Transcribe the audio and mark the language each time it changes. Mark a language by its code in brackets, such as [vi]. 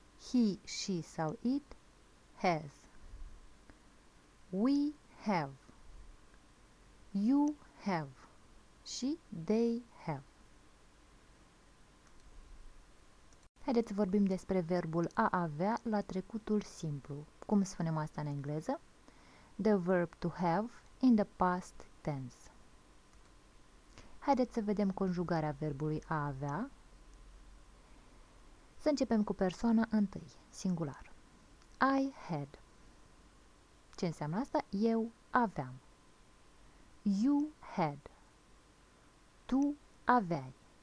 [en] He, she sau it has. We have. You have. Și they have. [ro] Haideți să vorbim despre verbul a avea la trecutul simplu. Cum spunem asta în engleză? [en] The verb to have in the past tense. [ro] Haideți să vedem conjugarea verbului a avea. Să începem cu persoana întâi, singular. [en] I had. [ro] Ce înseamnă asta? Eu aveam. [en] You had. [ro] Tu aveai.